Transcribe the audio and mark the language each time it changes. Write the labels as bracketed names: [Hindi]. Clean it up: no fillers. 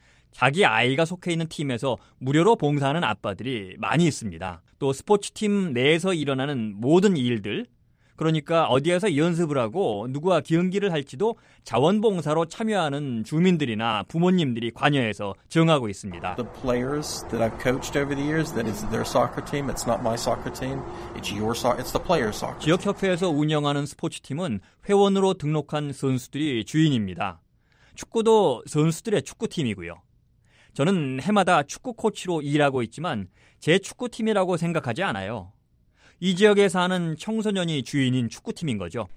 [Korean] 자기 아이가 속해 있는 팀에서 무료로 봉사하는 아빠들이 많이 있습니다. 또 스포츠팀 내에서 일어나는 모든 일들, 그러니까 어디에서 연습을 하고 누구와 경기를 할지도 자원봉사로 참여하는 주민들이나 부모님들이 관여해서 정하고 있습니다. [English] The players that I've coached over the years, that is their soccer team, it's not my soccer team, it's the player's soccer team. [Korean] 지역협회에서 운영하는 스포츠팀은 회원으로 등록한 선수들이 주인입니다. 축구도 선수들의 축구팀이고요. 저는 해마다 축구 코치로 일하고 있지만 제 축구팀이라고 생각하지 않아요. 이 지역에 사는 청소년이 주인인 축구팀인 거죠.